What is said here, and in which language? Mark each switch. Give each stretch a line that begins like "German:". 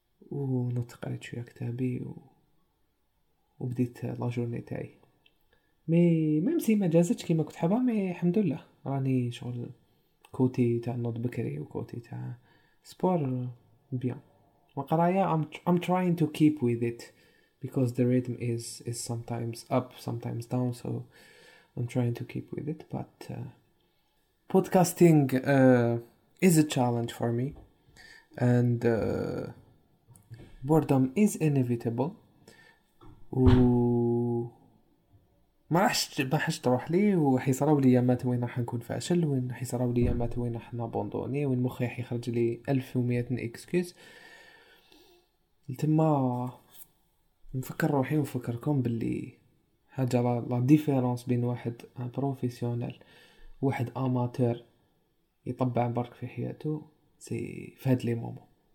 Arabic: ونط قريت شوية كتابي وبديت لا جورني تاعي.
French: مي ميم سي
Arabic: ما جازتش كيما كنت حابة، مي الحمد لله راني شغل كوتي تاع نوض بكري وكوتي تاع سبور بيان وقراية.
English: I'm trying to keep with it because the rhythm is sometimes up sometimes down, so I'm trying to keep with it. But podcasting is a challenge for me, and boredom is inevitable.
Arabic: وما راحش تروح لي، وحيصراو لي ايامات وين راح نكون فاشل، وين حيصراو لي ايامات وين راح نابوندوني، وين مخي حيخرج لي 1100 اكسكيوز. تما نفكر روحي ونفكركم باللي حاجه
French: لا ديفيرونس
Arabic: بين واحد بروفيسيونيل وواحد اماتور يطبع برك في حياته سي فهاد
French: لي مومون.